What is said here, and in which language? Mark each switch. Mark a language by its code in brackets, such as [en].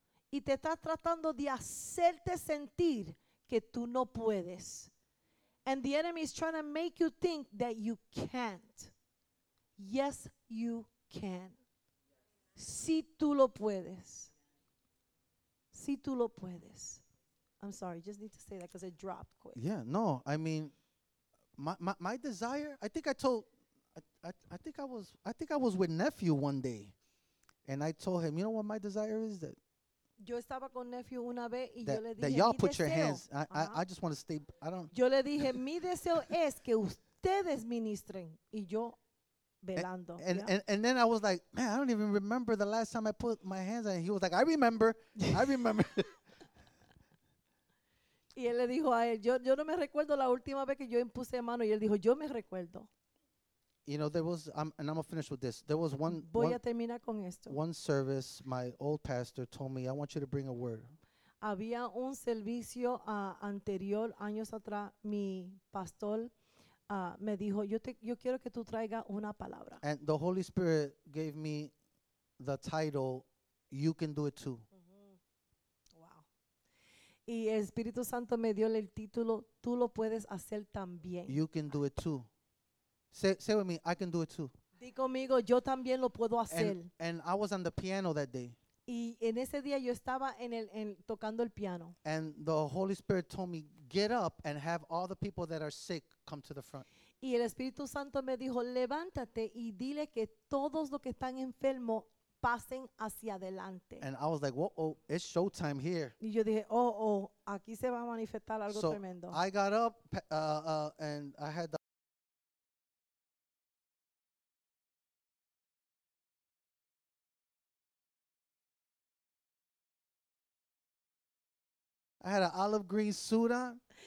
[es] Y te está tratando de hacerte sentir que tú no puedes. [en] And the enemy is trying to make you think that you can't. Yes, you can. [es] Si tú lo puedes. Si tú lo puedes. [en] I'm sorry, just need to say that because it dropped quick. Yeah, no, I mean, my desire, I think I was with nephew one day. And I told him, you know what my desire is? That [es] yo estaba con nephew una vez y [en] that, [es] yo le dije [en] that y'all put [es] deseo. [en] Your hands. I just want to stay. I don't. [es] Yo le dije mi deseo es que ustedes ministren y yo velando. [en] And then I was like, man, I don't even remember the last time I put my hands on. He was like, I remember. [es] Y él le dijo a él, yo no me recuerdo la última vez que yo impuse mano. Y él dijo, yo me recuerdo. [en] You know, I'm gonna finish with this. There was one. [es] Voy a terminar con esto. [en] One service, my old pastor told me, I want you to bring a word. [es] Había un servicio anterior años atrás. Mi pastor me dijo, yo quiero que tú traigas una palabra. [en] And the Holy Spirit gave me the title, "You Can Do It Too." Wow. [es] Y el Espíritu Santo me dio el título, "Tú lo puedes hacer también." [en] You can do it too. Say with me, I can do it too. [es] Di conmigo, yo también lo puedo hacer. [en] And I was on the piano that day. [es] Y en ese día yo estaba en el en tocando el piano. [en] And the Holy Spirit told me, get up and have all the people that are sick come to the front. [es] Y el Espíritu Santo me dijo, levántate y dile que todos los que están enfermos pasen hacia adelante. [en] And I was like, whoa, oh, it's showtime here. [es] Y yo dije, oh, oh, aquí se va a manifestar algo [en] so [es] tremendo. [en] So I got up and I had the I had an olive green suit on.